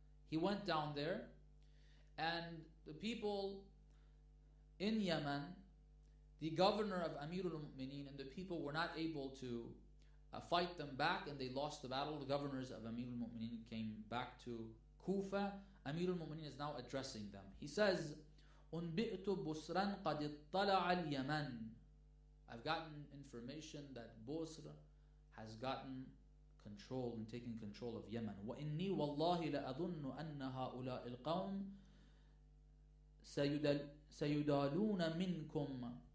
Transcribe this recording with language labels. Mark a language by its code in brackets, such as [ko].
[en] He went down there and the people in Yemen, the governor of Amir al-Mu'mineen and the people were not able to fight them back and they lost the battle. The governors of Amir al-Mu'mineen came back to Kufa. Amir al-Mu'mineen is now addressing them. He says, [ar] أُنْبِئْتُ بُسْرًا قَدِ اطَّلَعَ الْيَمَنِ. [en] I've gotten information that Busr has gotten control and taken control of Yemen. [ar] وَإِنِّي وَاللَّهِ لَأَظُنُّ أَنَّ هَؤُلَاءِ الْقَوْمِ سَيُدَالُونَ مِنْكُمْ.